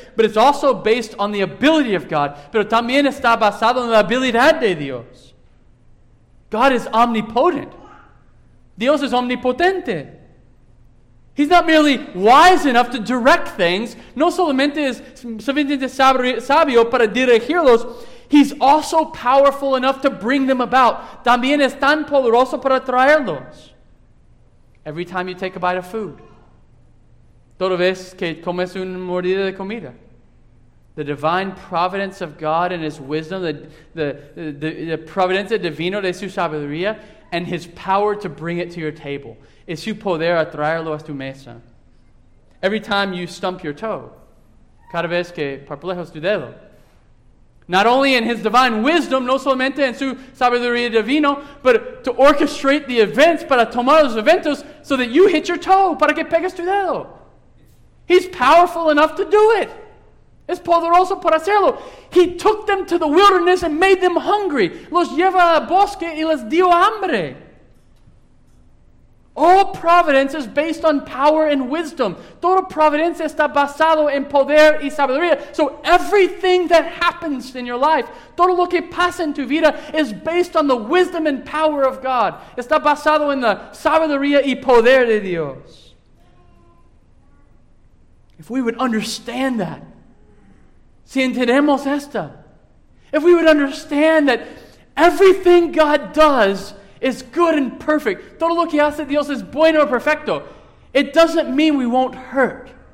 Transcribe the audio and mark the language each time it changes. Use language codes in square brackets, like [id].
[en] But it's also based on the ability of God. [es] Pero también está basado en la habilidad de Dios. [en] God is omnipotent. [es] Dios es omnipotente. [en] He's not merely wise enough to direct things. [es] No solamente es suficiente sabio para dirigirlos. [en] He's also powerful enough to bring them about. [es] También es tan poderoso para traerlos. [en] Every time you take a bite of food, [es] toda vez que comes una mordida de comida, [en] the divine providence of God and his wisdom, the [es] providencia divino de su sabiduría, [en] and his power to bring it to your table. [es] Es su poder a traerlo a tu mesa. [en] Every time you stump your toe, [es] cada vez que parpelejas tu dedo, [en] not only in his divine wisdom, [es] no solamente en su sabiduría divino, [en] but to orchestrate the events, [es] para tomar los eventos, [en] so that you hit your toe, [es] para que pegues tu dedo. [en] He's powerful enough to do it. [es] Es poderoso para hacerlo. [en] He took them to the wilderness and made them hungry. [es] Los lleva al bosque y les dio hambre. [en] All providence is based on power and wisdom. [es] Toda providencia está basado en poder y sabiduría. [en] So everything that happens in your life, [es] todo lo que pasa en tu vida, [en] is based on the wisdom and power of God. [es] Está basado en la sabiduría y poder de Dios. [en] If we would understand that, [es] si entendemos esta, [en] if we would understand that everything God does is good and perfect, [es] todo lo que hace Dios es bueno y perfecto, [en] it doesn't mean we won't hurt.